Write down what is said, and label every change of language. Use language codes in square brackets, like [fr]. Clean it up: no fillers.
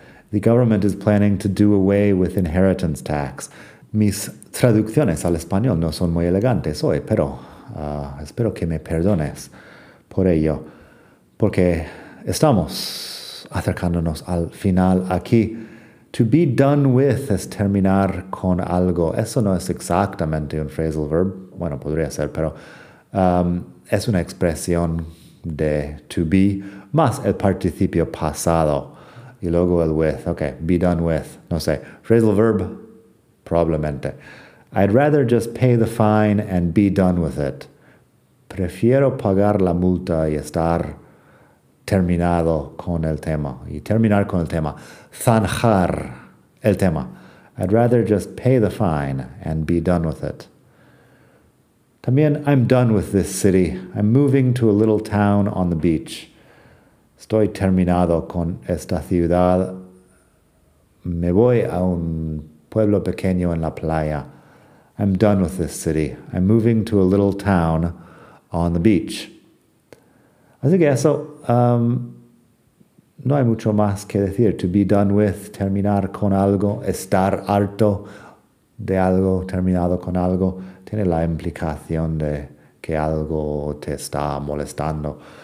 [en] The government is planning to do away with inheritance tax. [es] Mis traducciones al español no son muy elegantes hoy, pero espero que me perdones. por ello, porque estamos acercándonos al final aquí. To be done with es terminar con algo. Eso no es exactamente un phrasal verb. Bueno, podría ser, pero es una expresión de to be más el participio pasado y luego el with. Ok, be done with. No sé. Phrasal verb, probablemente. [en] I'd rather just pay the fine and be done with it. [es] Prefiero pagar la multa y estar terminado con el tema. Y terminar con el tema. Zanjar el tema. [en] I'd rather just pay the fine and be done with it. [es] También, [en] I'm done with this city. I'm moving to a little town on the beach. [es] Estoy terminado con esta ciudad. Me voy a un pueblo pequeño en la playa. [en] I'm done with this city. I'm moving to a little town on the beach. [es] Así que eso, no hay mucho más que decir. To be done with, terminar con algo, estar harto de algo, terminado con algo, tiene la implicación de que algo te está molestando.